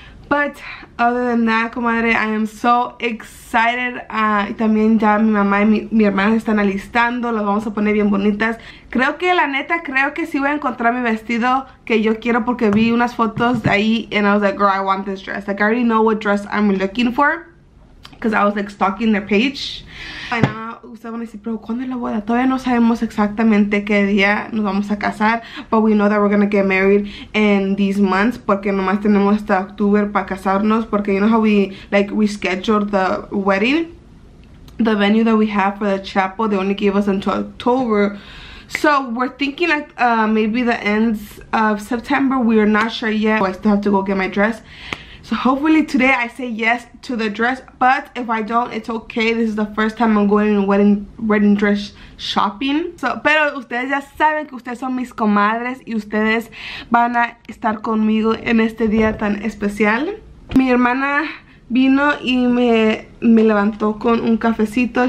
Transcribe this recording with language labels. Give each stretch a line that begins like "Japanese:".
English: But other than that, comadre, I am so excited.
Spanish: Y también ya mi mamá y mi hermana se están alistando. Las vamos a poner bien bonitas. Creo que, la neta, creo que sí voy a encontrar mi vestido que yo quiero porque vi unas fotos de ahí
English: and I was like, girl, I want this dress. Like, I already know what dress I'm looking for because I was, like, stalking their page.
Spanish: And ustedes van a decir, pero ¿cuándo es la boda? Todavía no sabemos exactamente qué día nos vamos a casar.
English: But we know that we're going to get married in these months.
Spanish: Porque nomás tenemos hasta octubre para casarnos.
English: Porque you know how we like rescheduled the wedding. The venue that we have for the chapel, they only gave us until October. So we're thinking like maybe the end of September. We are not sure yet. So I still have to go get my dress. So hopefully today I say yes to the dress, but if I don't, it's okay. This is the first time I'm going wedding dress shopping.
Spanish: So, pero ustedes ya saben que ustedes son mis comadres y ustedes van a estar conmigo en este día tan especial. Mi hermana vino y me levantó con un cafecito.